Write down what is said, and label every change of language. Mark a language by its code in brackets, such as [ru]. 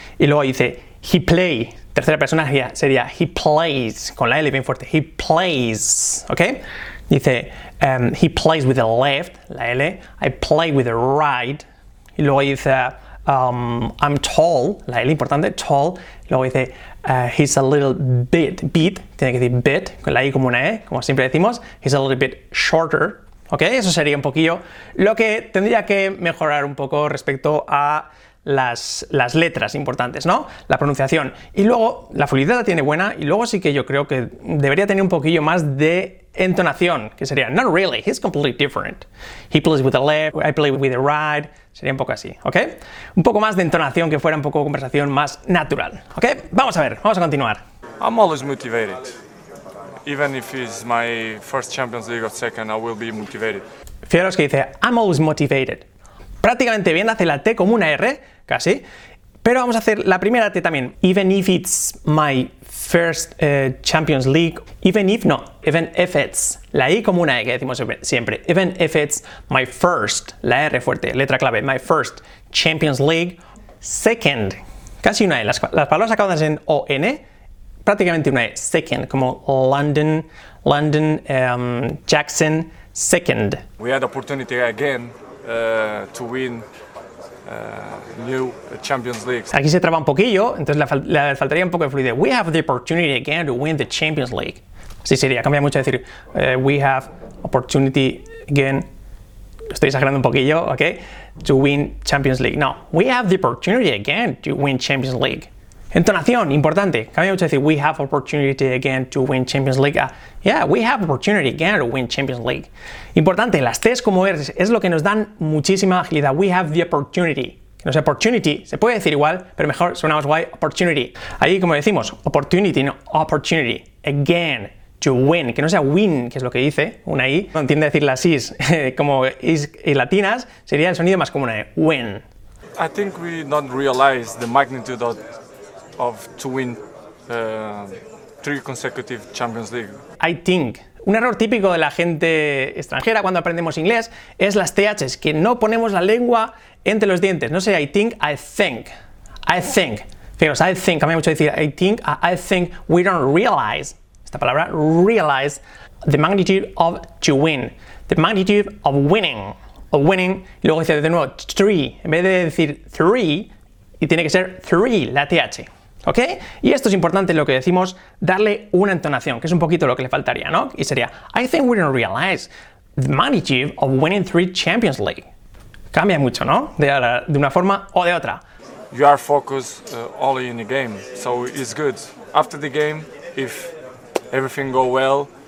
[es] Y luego dice, [en] he play, [es] tercera persona sería, [en] he plays, [es] con la L bien fuerte, he plays, ¿ok? Dice, [en] he plays with the left, [es] la L, [en] I play with the right. [es] Y luego dice, [en] I'm tall, [es] la L importante, tall. Luego dice, [en] he's a little bit, bit, [es] tiene que decir bit, con la I como una E, como siempre decimos, [en] he's a little bit shorter, [es] ¿ok? Eso sería un poquillo lo que tendría que mejorar un poco respecto a las letras importantes, ¿no? La pronunciación. Y luego, la fluidez la tiene buena, y luego sí que yo creo que debería tener un poquillo más de entonación, que sería, [en] not really, he's completely different. He plays with the left, I play with the right. [es] Sería un poco así, ¿ok? Un poco más de entonación, que fuera un poco conversación más natural, ¿ok? Vamos a ver, vamos a continuar. [en] I'm always motivated. Even if it's my first Champions League or second, I will be motivated. [es] Fijaros que dice, [en] I'm always motivated. [es] Prácticamente bien, hace la T como una R, casi. Pero vamos a hacer la primera T también. [en] Even if it's my first Champions League. Even if, no, even if it's. [es] La I como una E que decimos siempre. [en] Even if it's my first, [es] la R fuerte, letra clave. [en] My first Champions League. Second, [es] casi una E. Las palabras acabadas en O-N, prácticamente una E. [en] Second, [es] como [en] London, London, Jackson, second. We had opportunity again to win. New Champions League. [es] Aquí se traba un poquillo, entonces le faltaría un poco de fluidez. [en] We have the opportunity again to win the Champions League. [es] Así sería, cambia mucho decir [en] we have opportunity again. [es] Estoy exagerando un poquillo, ¿ok? [en] To win Champions League. No, we have the opportunity again to win Champions League. [es] Entonación, importante. Cambia mucho decir [en] we have opportunity again to win Champions League. Yeah, we have opportunity again to win Champions League. [es] Importante, las T's como R's es lo que nos dan muchísima agilidad. [en] We have the opportunity. [es] Que no sea opportunity, se puede decir igual, pero mejor suena más guay, opportunity. Ahí como decimos, opportunity, no, [en] opportunity, again, to win. [es] Que no sea [en] win, [es] que es lo que dice, una I. No entiende decir las I's como I's y latinas, sería el sonido más común, win. [en] I think we don't realize the magnitude of to win three consecutive Champions League. I think. [es] Un error típico de la gente extranjera cuando aprendemos inglés es las THs, que no ponemos la lengua entre los dientes. No sé, [en] I think, I think. I think. [es] Fijaros, [en] I think, [es] cambia mucho decir [en] I think, I think, we don't realize. [es] esta palabra, realize, [en] the magnitude of to win, the magnitude of winning, [es] of winning, y luego dice de nuevo, [en] three, [es] en vez de decir three, y tiene que ser three, la TH. ¿Ok? Y esto es importante, lo que decimos, darle una entonación, que es un poquito lo que le faltaría, ¿no? Y sería, [en] I think we don't realize the magnitude of winning three Champions League. [es] Cambia mucho, ¿no? De una forma o de otra. [en] You are focused only in the game, so it's good. After the game, if everything go well.